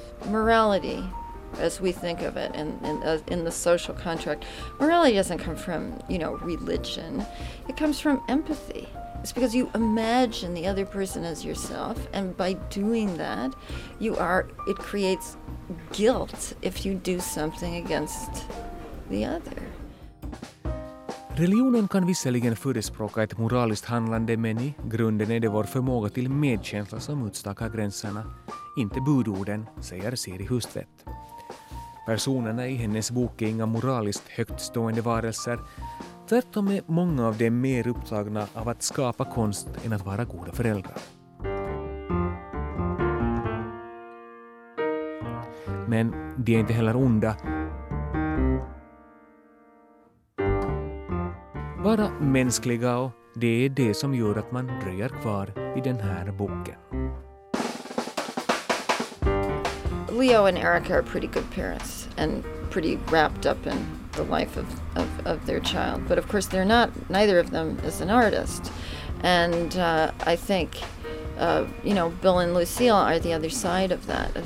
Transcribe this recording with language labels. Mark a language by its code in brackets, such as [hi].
[en] Morality, as we think of it in the social contract, morality doesn't come from, you know, religion. It comes from empathy. It's because you imagine the other person as yourself, and by doing that, it creates guilt if you do something against the other. [sv] Religionen kan visserligen förespråka ett moraliskt handlande, men i grunden är det vår förmåga till medkänsla som utstakar gränserna, inte budorden, säger Siri Hustvedt. Personerna i hennes bok är inga moraliskt högtstående varelser. Tvärtom är många av dem mer upptagna av att skapa konst än att vara goda föräldrar. Men de är inte heller onda. Bara mänskliga, och det är det som gör att man dröjer kvar i den här boken. [en] Leo and Erica are pretty good parents and pretty wrapped up in the life of their child, but of course they're not, neither of them is an artist, and I think you know, Bill and Lucille are the other side of that.